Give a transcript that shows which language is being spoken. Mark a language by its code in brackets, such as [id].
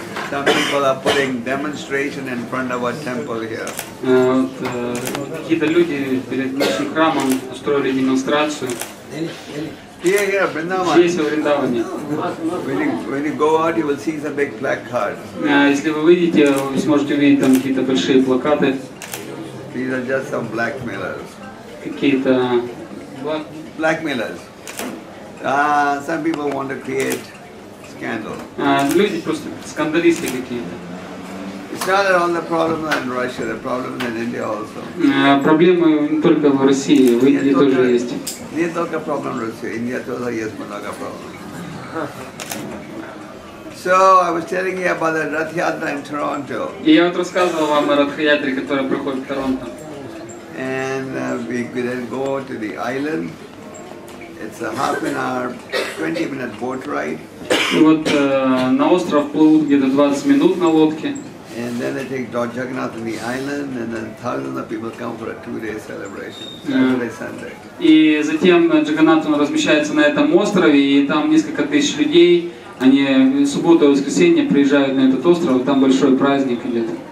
[en] Some people are putting demonstration in front of our temple here. [ru] Какие-то люди перед нашим храмом устроили демонстрацию. [en] Here, Vrindavan. [ru] Здесь, в Вриндаване. [en] When you go out, you will see some big placards. [ru] Если вы выйдете, вы сможете увидеть там какие-то большие плакаты. [en] These are just some blackmailers. [ru] Какие-то [en] blackmailers. Some people want to create scandal. [ru] Люди просто скандалисты какие-то. [en] It's not that all the problems are in Russia. The problems in India also. [ru] Проблемы не только в России, в Индии тоже есть. Не только проблем в России, Индия тоже есть много проблем. [en] So I was telling you about the Rath Yatra in Toronto. [ru] И я вот рассказывал вам о Рат Ятре, которая проходит в Торонто. [en] And we could then go to the island. It's a half an hour, 20-minute boat ride. [ru] Вот на остров плывут где-то 20 минут на лодке. [en] And then they take Lord Jagannath to the island, and then thousands of people come for a two-day celebration, Saturday, Sunday. [ru] И затем Джагнатом размещается на этом острове, и там несколько тысяч людей Они субботу и воскресенье приезжают на этот остров, там большой праздник идет.